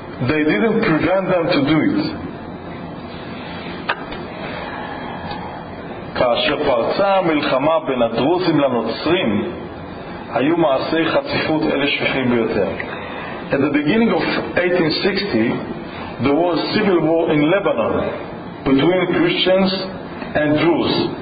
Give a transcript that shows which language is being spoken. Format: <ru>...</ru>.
<en>They didn't prevent them to do it.</en> <he>כאשר פרצה המלחמה בין הדרוזים לנוצרים, היו מעשי חציפות אלה שכיחים ביותר.</he> <en>At the beginning of 1860, there was civil war in Lebanon between Christians and Jews.</en>